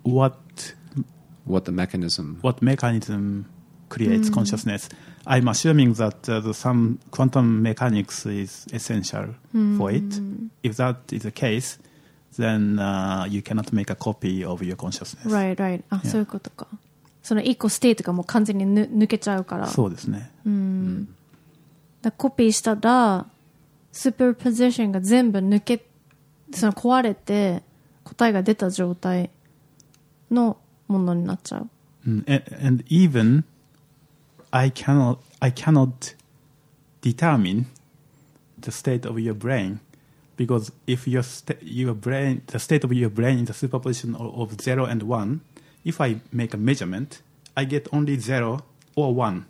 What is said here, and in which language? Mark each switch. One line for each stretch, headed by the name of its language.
English: what mechanism creates mm-hmm. consciousness. I'm assuming that some quantum mechanics is essential mm-hmm. for it. If that is the case, then you cannot make a copy of your consciousness. Right, right. あ、yeah.
Japanese: そういうことか。その一個ステートがもう完全に抜けちゃうから。そうですね。うん。だコピーしたら、スーパーポジションが全部抜け、その壊れて答えが出た状態のものになっちゃう。うん。
English: And even I cannot determine the state of your brain. Because if the state of your brain is a superposition of 0 and 1, if I make a measurement, I get only 0 or 1.